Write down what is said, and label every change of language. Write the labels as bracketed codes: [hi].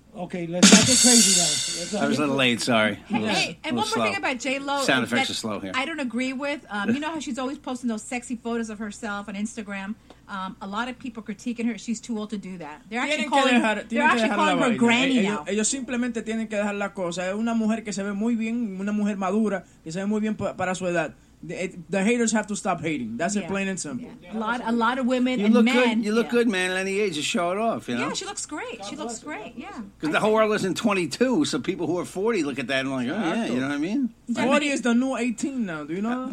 [en] Okay, let's not get crazy, guys. I was a little late, sorry. Hey, one more thing about J-Lo. Sound effects are slow here. I don't agree with. You know how she's always posting those sexy photos of herself on Instagram? A lot of people critiquing her. She's too old to do that. They're actually calling her granny now. [es] Ellos simplemente tienen que dejar la cosa. Es una mujer que se ve muy bien, una mujer madura, que se ve muy bien para su edad. [en] The haters have to stop hating. That's it, plain and simple. Yeah. A lot of women you and look men. Good. You look good, man. At any age, just show it off. You know? Yeah, she looks great. God she looks her. Great, yeah. Because the whole world isn't 22, so people who are 40 look at that and like, oh, yeah, you know what I mean? 40 is the new 18 now, do you know?